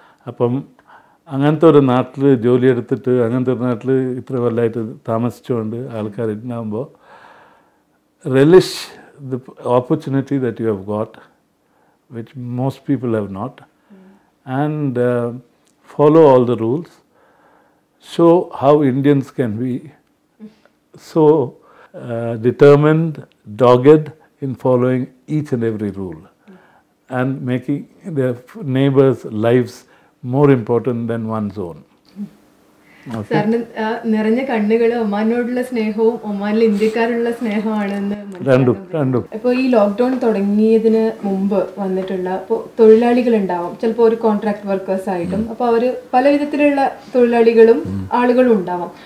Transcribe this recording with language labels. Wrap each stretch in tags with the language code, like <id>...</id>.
<ml>അപ്പം അങ്ങനത്തെ ഒരു നാട്ടിൽ ജോലിയെടുത്തിട്ട് അങ്ങനത്തെ ഒരു നാട്ടിൽ ഇത്ര കൊല്ലമായിട്ട് താമസിച്ചുകൊണ്ട് ആൾക്കാർ ഇന്നാകുമ്പോൾ</ml> <en>Relish the opportunity that you have got which most people have not and follow all the rules. So how Indians can be so determined, dogged in following each and every rule and making their neighbors' lives more important than one's own.</en> <ml>സാറിന് നിറഞ്ഞ കണ്ണുകളും ഒമാനോടുള്ള സ്നേഹവും ഒമാനിലെ ഇന്ത്യക്കാരുള്ള സ്നേഹമാണെന്ന് രണ്ടും. അപ്പൊ ഈ lockdown തുടങ്ങിയതിന് മുമ്പ് വന്നിട്ടുള്ള തൊഴിലാളികൾ ഉണ്ടാവും, ചിലപ്പോ ഒരു കോൺട്രാക്ട് വർക്കേഴ്സ് ആയിട്ടും, അപ്പൊ അവര് പല വിധത്തിലുള്ള തൊഴിലാളികളും ആളുകളും ഉണ്ടാവാം.</ml>